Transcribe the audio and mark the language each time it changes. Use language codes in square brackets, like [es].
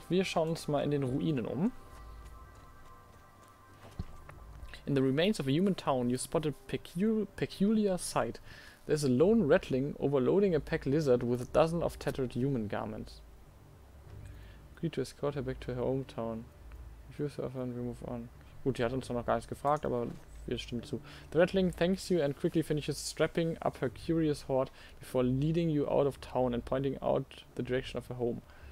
[de] Wir schauen uns mal in den Ruinen um. [en] In the remains of a human town, you spot a peculiar sight. There's a lone rattling overloading a pack lizard with a dozen of tattered human garments. Agree to escort her back to her hometown. Refuse to offer and we move on. [de] Gut, die hat uns zwar noch gar nichts gefragt, aber wir stimmen zu. [en] The rattling thanks you and quickly finishes strapping up her curious horde before leading you out of town and pointing out the direction of her home.